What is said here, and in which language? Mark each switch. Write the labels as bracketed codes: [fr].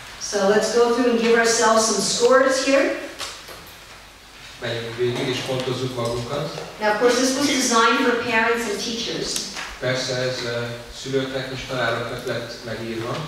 [en] So let's go through and give ourselves some scores here. [hu] Menjünk végig és pontozzuk magunkat. [en] Now, of course, this was designed for parents and teachers. [hu] Persze ez szülőknek és tanároknak lett megírva.